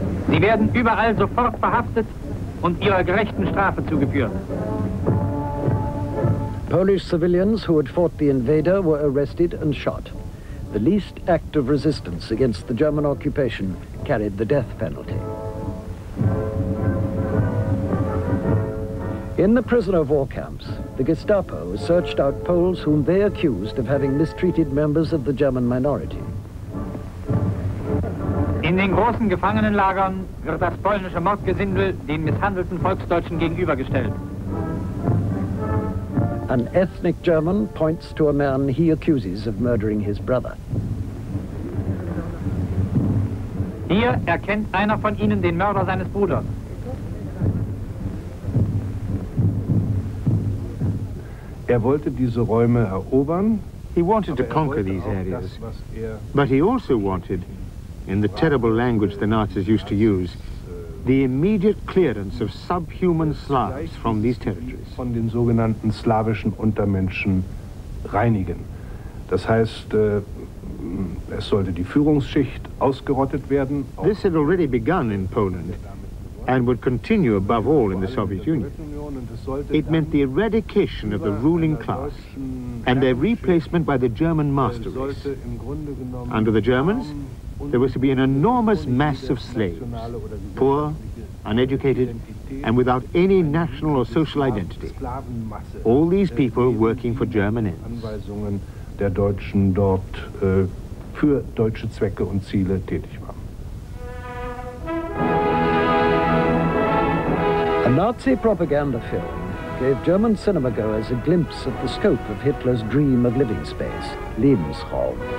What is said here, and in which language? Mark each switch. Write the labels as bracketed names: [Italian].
[German] Sie werden überall sofort verhaftet und ihrer gerechten Strafe zugeführt. [English] Polish civilians who had fought the invader were arrested and shot. The least act of resistance against the German occupation carried the death penalty. In the prisoner of war camps, the Gestapo searched out Poles whom they accused of having mistreated members of the German minority. [German] In den großen Gefangenenlagern wird das polnische Mordgesindel den misshandelten Volksdeutschen gegenübergestellt. [English] An ethnic German points to a man he accuses of murdering his brother. [German] Hier erkennt einer von Ihnen den Mörder seines Bruders. Wollte diese Räume erobern. [English] He wanted to conquer these areas. But he also wanted, in the terrible language the Nazis used to use, the immediate clearance of subhuman Slavs from these territories. [German] Von den sogenannten slawischen Untermenschen reinigen. Das heißt, es sollte die Führungsschicht ausgerottet werden. [English] This had already begun in Poland and would continue above all in the Soviet Union. It meant the eradication of the ruling class and their replacement by the German master race. Under the Germans, there was to be an enormous mass of slaves, poor, uneducated, and without any national or social identity. All these people working for German ends. [German] Der Deutschen dort für deutsche Zwecke und Ziele tätig waren. [English] A Nazi propaganda film gave German cinema-goers a glimpse of the scope of Hitler's dream of living space, Lebensraum.